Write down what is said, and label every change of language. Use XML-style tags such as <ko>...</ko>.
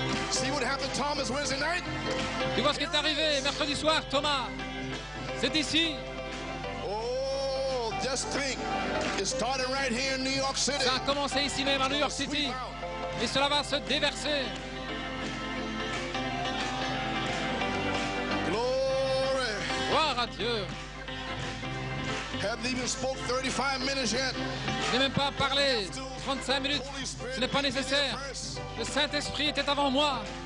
<en>See what happened Thomas Wednesday night?</en> <fr>Tu vois ce qui est arrivé mercredi soir, Thomas. C'est ici.</fr> <en>Oh, just think. It started right here in New York City.</en> <fr>Ça a commencé ici même à New York City. Et cela va se déverser.</fr> <en>Glory.</en> <fr>Gloire à Dieu.</fr> <en>Haven't even spoke 35 minutes yet.</en> <fr>Je n'ai même pas parlé 35 minutes. Ce n'est pas nécessaire. Le Saint-Esprit était avant moi.</fr>